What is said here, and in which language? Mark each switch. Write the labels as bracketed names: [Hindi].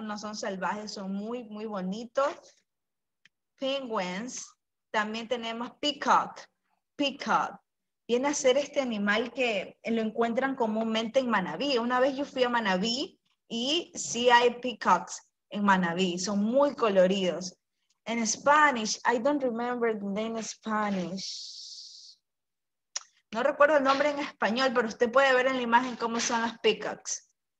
[Spanish] No son salvajes, son muy, muy bonitos. Penguins. También tenemos peacock. Viene a ser este animal que lo encuentran comúnmente en Manabí. Una vez yo fui a Manabí y sí hay peacocks en Manabí. Son muy coloridos. [English] En Spanish, I don't remember the name in Spanish. [Spanish] No recuerdo el nombre en español, pero usted puede ver en la imagen cómo son los peacocks.